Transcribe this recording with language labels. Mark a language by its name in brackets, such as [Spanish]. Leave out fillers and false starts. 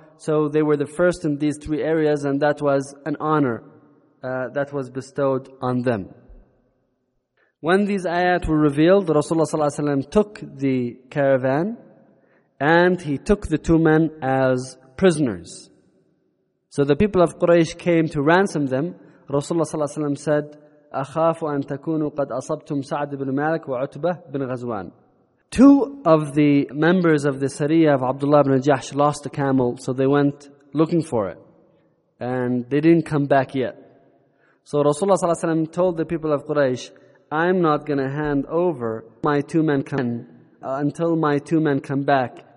[English] So they were the first in these three areas, and that was an honor that was bestowed on them. When these ayat were revealed, Rasulullah sallallahu alaihi wasallam took the caravan and he took the two men as prisoners. So the people of Quraysh came to ransom them. Rasulullah sallallahu alaihi wasallam said, [Arabic] أخاف أن تكونوا قد أصبتم سعد بن مالك وعتبة بن غزوان. [English] Two of the members of the Sariya of Abdullah ibn Jahsh lost a camel, so they went looking for it. And they didn't come back yet. So Rasulullah sallallahu alaihi wasallam told the people of Quraysh, I'm not going to hand over my two men until my two men come back